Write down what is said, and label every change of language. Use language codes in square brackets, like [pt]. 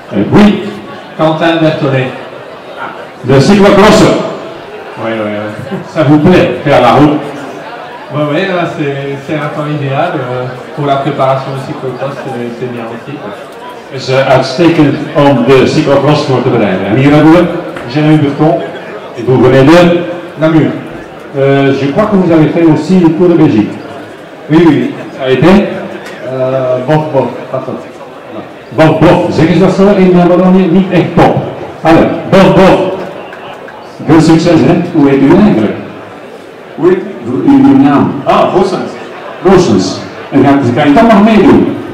[fr] Oui. Quentin Bertolet. De cyclocross. Oui. Ça vous plaît, faire la route? Oui, c'est un temps idéal. Pour la préparation au cyclocross, c'est bien aussi. [nl] C'est uitstekend om de cyclocross voor te bereiden. En hier hebben we [fr] Jérémy Berton. Et vous venez de Namur. Je crois que vous avez fait aussi le Tour de Belgique. Oui. Ça a été Bof, pardon. [nl] Bof, zeggen ze dat zo in Wallonië? Niet echt pop. Allee, bof. Veel succes, hè? Hoe heet u eigenlijk? [fr] Oui. [nl] Uw naam? Ah, Rossens. Rossens. En kan je dat nog meedoen?